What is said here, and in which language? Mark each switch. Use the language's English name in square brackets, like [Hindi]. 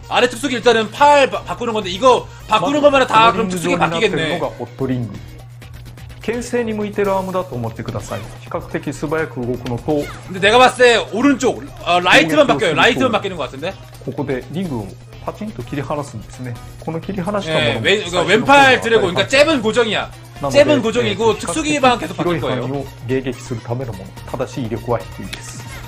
[Korean] 아래특수기일단은팔바꾸는건데이거바꾸는것만은다그럼특수기바뀌겠네。 [Japanese] このがホットリング。牽制に向いてるアームだと思ってください。比較的素早く動くのと。 [Korean] で、내가봤을때오른쪽、ライトマン바뀌어요。ライトマン바뀌는것같은데。 [Japanese] ここでリングをパチンと切り離すんですね。この切り離したもの。 [Korean] 왼그러니까왼팔드래곤그러니까잽은고정이야。 잽은고정이고특수기만계속바뀔거예요。 [Japanese] 広い範囲を迎撃するためのもの。ただし威力は低いです。